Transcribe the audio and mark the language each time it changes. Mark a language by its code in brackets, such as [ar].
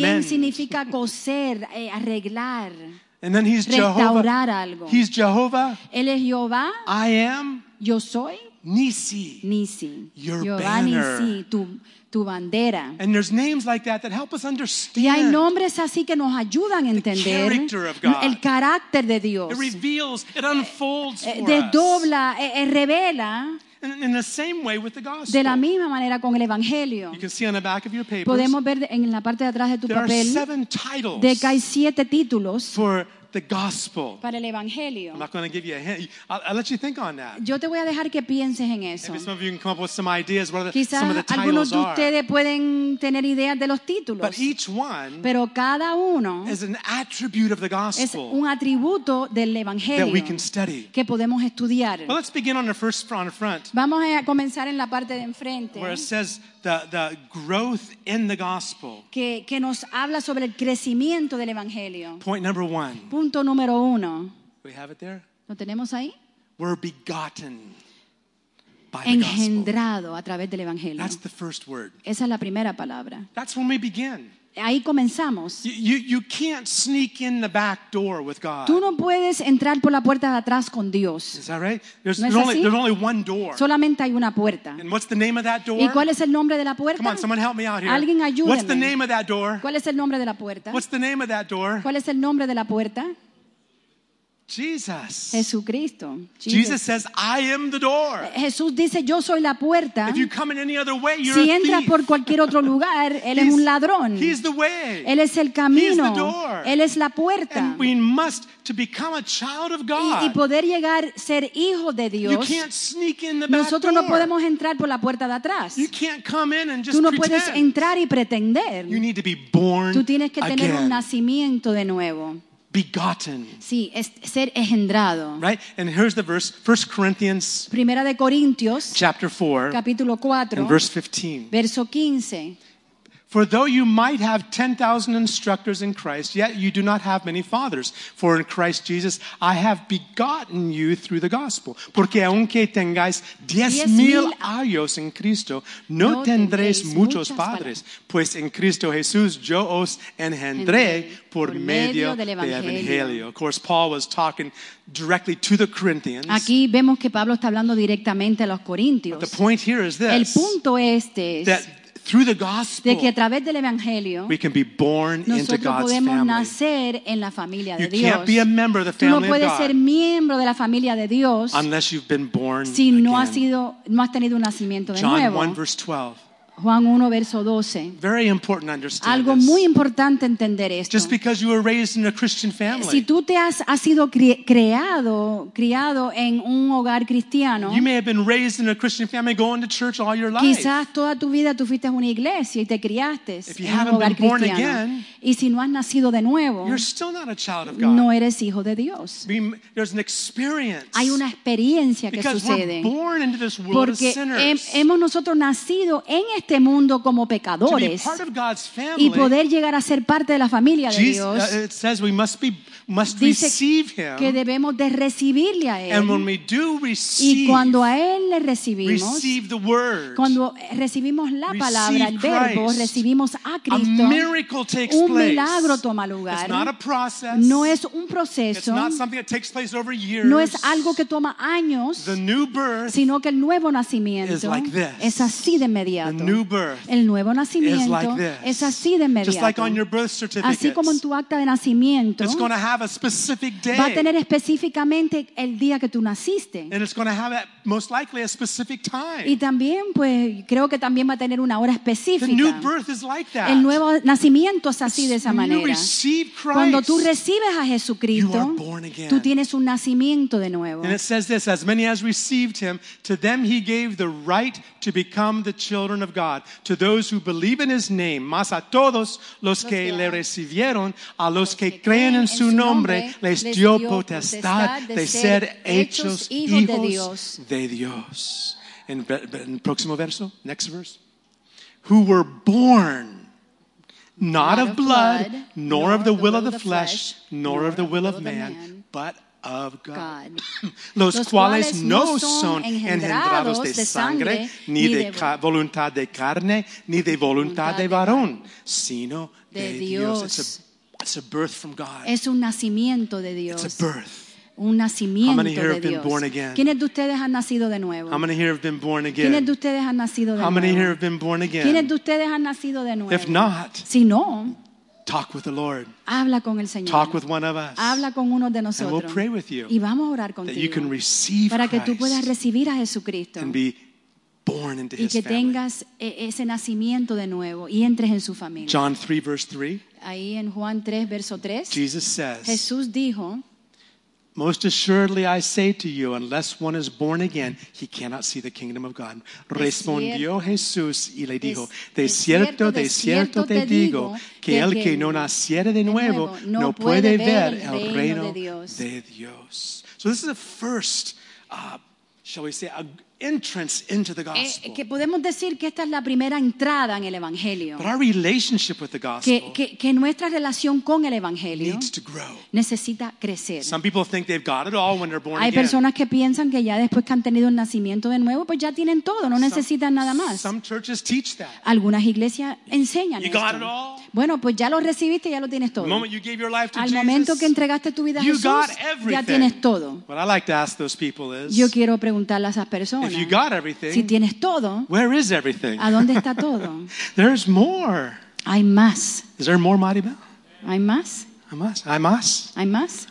[en] to mend. [es] Significa coser, arreglar. [en] And then he's [es] restaurar [en] Jehovah. [es] Algo. [en] He's Jehovah. [es] Él es Jehová. [en] I am. [es] Yo soy. Nisi. Nisi. [en] Your [es] Jehová [en] banner. [es] Nisi, tu bandera. [en] And there's names like that that help us understand. [es] Y hay nombres así que nos ayudan a entender. [en] The character of God. [es] El carácter de Dios. [en] It reveals. It unfolds for [es] desdobla, [en] us. [es] Desdobla. Revela. [en] In the same way with the gospel. [es] De la misma manera con el evangelio. [en] You can see on the back of your papers. [es] Podemos ver en la parte de atrás de tu [en] there [es] papel. [en] There are seven titles. [es] De que hay siete títulos. [en] For the gospel. [es] Para el evangelio. [en] I'm not going to give you a hint. I'll let you think on that. [es] Yo te voy a dejar que pienses en eso. [en] Maybe some of you can come up with some ideas what are [es] quizás [en] some of the titles are. [es] Quizás algunos de ustedes pueden tener ideas de los títulos. [en] But each one. [es] Pero cada uno. [en] Is an attribute of the gospel. [es] Es un atributo del evangelio. [en] That we can study. [es] Que podemos estudiar. [en] Well, let's begin on the first front, front. [es] Vamos a comenzar en la parte de enfrente. [en] Where it says the growth in the gospel. [es] Que nos habla sobre el crecimiento del evangelio. [en] Point number one. [es] Punto número uno. [en] We have it there? [es] ¿Lo tenemos ahí? [en] We're begotten by [es] engendrado [en] the gospel. [es] A través del evangelio. [en] That's the first word. [es] Esa es la primera palabra. [en] That's when we begin. [es] Ahí comenzamos. [en] You can't sneak in the back door with God. [es] Tú no puedes entrar por la puerta de atrás con Dios. [en] Is that right? There's, [es] ¿no es [en] there's, [es] así? [en] Only, there's only one door. [es] Solamente hay una puerta. [en] And what's the name of that door? [es] ¿Y cuál es el nombre de la puerta? [en] Come on, someone help me out here. [es] Alguien ayúdeme. [en] What's the name of that door? [es] ¿Cuál es el nombre de la puerta? [en] What's the name of that door? [es] ¿Cuál es el nombre de la puerta? [en] Jesus. [es] Jesucristo. [en] Jesus says, I am the door. [es] Jesús dice, yo soy la puerta. [en] If you come in any other way, you're [es] si entras [en] a thief. [es] Por cualquier otro lugar, él es un ladrón. [en] He's the way. [es] Él es el camino. [en] He's the door. [es] Él es la puerta. [en] And we must to become a child of God. [es] Y poder llegar ser hijo de Dios. [en] You can't sneak in the [es] nosotros [en] back [es] no podemos entrar por la puerta de atrás. [en] You can't come in and just [es] tú no [en] pretend. [es] Puedes entrar y pretender. [en] You need to be born [es] tú tienes que tener [en] again. [es] Un nacimiento de nuevo. [en] Begotten. [es] Sí, ser engendrado. [en] Right? And here's the verse, 1 Corinthians. [es] Primera de Corintios. [en] Chapter 4. [es] Capítulo 4. [en] And verse 15. [es] Verso 15. [en] For though you might have 10,000 instructors in Christ, yet you do not have many fathers. For in Christ Jesus, I have begotten you through the gospel. [es] Porque aunque tengáis 10,000 años en Cristo, no tendréis muchos padres. Pues en Cristo Jesús, yo os engendré. Por medio del evangelio. [en] Of course, Paul was talking directly to the Corinthians. [es] Aquí vemos que Pablo está hablando directamente a los corintios. [en] But the point here is this. [es] El punto este es [en] that through the gospel, [es] de que a través del evangelio, [en] we can be born into God's family. [es] Nosotros podemos nacer en la familia de [en] you [es] Dios. [en] You can't be a member of the family of God. [es] Tú no puedes [en] of God [es] ser miembro de la familia de Dios [en] unless you've been born [es] si [en] again. [es] No has sido, no has tenido un nacimiento de [en] John [es] nuevo. [en] John 1 verse 12. [es] Juan 1, verso 12. [en] Very important to understand [es] algo [en] this. [es] Muy importante entender esto. [en] Just because you were raised in a Christian family. [es] Si tú te has sido criado en un hogar cristiano. [en] You may have been raised in a Christian family going to church all your life. [es] Quizás toda tu vida tú fuiste a una iglesia y te criaste [en] if you [es] en [en] haven't [es] un hogar [en] been [es] cristiano. [en] Born again, [es] y si no has nacido de nuevo. [en] You're still not a child of God. [es] No eres hijo de Dios. [en] There's an experience. [es] Hay una experiencia que [en] because [es] sucede. [en] We're born into this world [es] porque [en] of sinners. [es] Hemos nosotros nacido en este mundo como pecadores [en] family, [es] y poder llegar a ser parte de la familia de [en] Jesus, [es] Dios [en] it says we must be, must [es] dice [en] receive him, [es] que debemos de recibirle a Él [en] and when we do receive, [es] y cuando a Él le recibimos [en] receive the word, [es] cuando recibimos la palabra [en] Christ, [es] el verbo recibimos a Cristo [en] a miracle takes [es] un milagro toma lugar [en] it's not a process, [es] no es un proceso [en] it's not something that takes place over years, [es] no es algo que toma años [en] the new birth [es] sino que el nuevo nacimiento [en] is like this, [es] es así de inmediato. [en] New new birth [es] el nuevo nacimiento [en] is like this. [es] Es así de inmediato. [en] Just like on your birth certificate. [es] Así como en tu acta de nacimiento. [en] It's going to have a specific day. [es] Va a tener específicamente el día que tú naciste. [en] And it's going to have that, most likely a specific time. [es] Y también, pues, creo que también va a tener una hora específica. [en] The new birth is like that. [es] El nuevo nacimiento es así de esa manera. [en] You receive Christ, [es] cuando tú recibes a Jesucristo, [en] you are born again. [es] Tú tienes un nacimiento de nuevo. [en] And it says this, as many as received him, to them he gave the right to become the children of God, to those who believe in his name, [es] mas a todos los que le recibieron, a los que creen en su nombre, les dio potestad de ser hechos hijos de Dios. En el próximo verso, [en] next verse. Who were born not of blood, nor of the will of the flesh, nor of the will of man, but of God. [es] Los cuales no son engendrados de sangre, ni de voluntad de carne, ni de voluntad de varón, sino de Dios. [en] It's a birth from God. [es] Es un nacimiento de Dios. [en] It's a birth. [es] Un nacimiento [en] How many here [es] de [en] have been [es] Dios. [en] Born again? [es] ¿Quiénes de ustedes han nacido de nuevo? [en] How many here have been born again? [es] ¿Quiénes de ustedes han nacido de [en] How many [es] nuevo? [en] Here have been born again? [es] ¿Quiénes de ustedes han nacido de nuevo? [en] If not, [es] si no, [en] talk with the Lord. [es] Habla con el Señor. [en] Talk with one of us. [es] Habla con uno de nosotros. [en] And we'll pray with you. [es] Y vamos a orar contigo. [en] That you can receive [es] para que [en] Christ [es] tú puedas recibir a Jesucristo. [en] And be born into [es] y [en] his [es] que [en] family. [es] Tengas ese nacimiento de nuevo y entres en su familia. [en] John 3 verse 3. [es] Ahí en Juan 3 verso 3. [en] Jesus says. [es] Jesús dijo. [en] Most assuredly I say to you, unless one is born again, he cannot see the kingdom of God. [es] Respondió Jesús y le dijo, de cierto te digo, que el que no naciere de nuevo no puede ver el reino de Dios. [en] So this is the first, shall we say, a entrance into the gospel. [es] Que podemos decir que esta es la primera entrada en el evangelio. [en] But our relationship with the gospel [es] que nuestra relación con el evangelio [en] needs to grow. [es] Necesita crecer. [en] Some people think they've got it all when they're born [es] Hay personas Que piensan que ya después que han tenido un nacimiento de nuevo, pues ya tienen todo, no necesitan [en] some, [es] nada más. [en] Some churches teach that. [es] Algunas iglesias enseñan [en] you [es] esto. [en] Got it all. [es] Bueno, pues ya lo recibiste, ya lo tienes todo. [en] The moment you gave your life to [es] Al [en] Jesus, [es] momento que entregaste tu vida a [en] you [es] Jesús, [en] got everything. [es] Ya tienes todo. [en] What I like to ask those people is, [es] yo quiero preguntarle a esas personas, [en] if you got everything, [es] si tienes todo, [en] where is everything? [es] ¿A dónde está todo? [en] There's more. [es] Hay más. [en] Is there more, Maribel? [es] Hay más. Hay más. Hay más. Hay más.